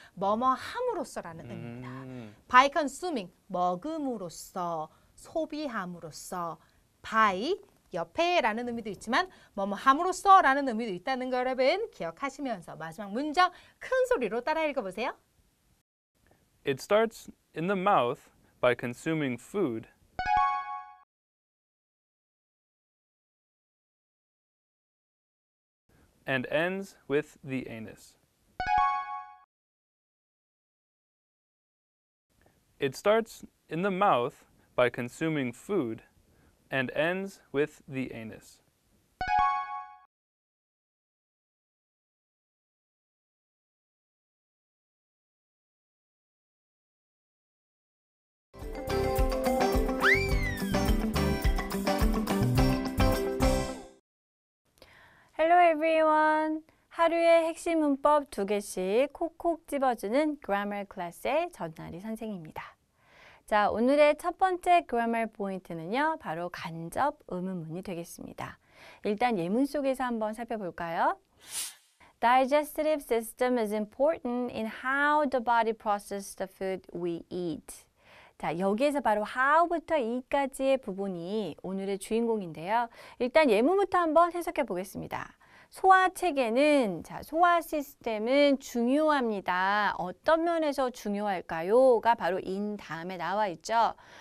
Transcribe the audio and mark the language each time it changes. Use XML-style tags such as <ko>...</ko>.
<ko>뭐뭐 함으로써라는 의미입니다.</ko> <en>By consuming.</en> <ko>먹음으로써. 소비함으로써.</ko> <en>By.</en> <ko>옆에라는 의미도 있지만 뭐뭐 함으로써라는 의미도 있다는 걸 여러분 기억하시면서 마지막 문장 큰 소리로 따라 읽어보세요.</ko> <en>It starts in the mouth by consuming food. And ends with the anus. It starts in the mouth by consuming food. And ends with the anus. Hello everyone.</en> <ko>하루의 핵심 문법 두 개씩 콕콕 집어주는 grammar class의 전나리 선생입니다. 자, 오늘의 첫 번째 grammar point는요, 바로 간접 의문문이 되겠습니다. 일단 예문 속에서 한번 살펴볼까요?</ko> <en>Digestive system is important in how the body processes the food we eat.</en> <ko>자, 여기에서 바로 how부터 이까지의 부분이 오늘의 주인공인데요. 일단 예문부터 한번 해석해 보겠습니다. 소화체계는, 자, 소화 시스템은 중요합니다. 어떤 면에서 중요할까요? 가 바로 in 다음에 나와 있죠.</ko>